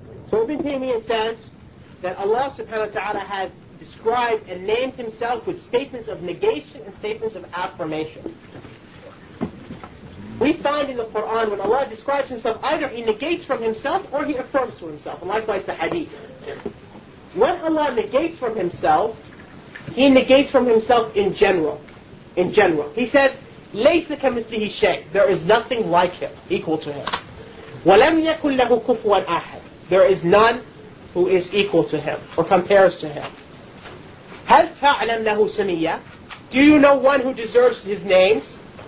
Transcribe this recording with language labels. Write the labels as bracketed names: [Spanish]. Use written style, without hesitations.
[English] So Ibn Taymiyyah says that Allah subhanahu wa ta'ala has described and named himself with statements of negation and statements of affirmation. We find in the Quran when Allah describes himself, either he negates from himself or he affirms to himself. And likewise the hadith. When Allah negates from himself, he negates from himself in general. In general. He says, [Arabic] لَيْسَ كَمِثْلِهِ شَيْءٍ. [English] There is nothing like him, equal to him. [Arabic] وَلَمْ يَكُنْ لَهُ كُفُوًا أَحَدٍ. [English] There is none who is equal to him or compares to him. [Arabic] هَلْ تَعْلَمْ لَهُ سَمِيَّةٍ. [English] Do you know one who deserves his names?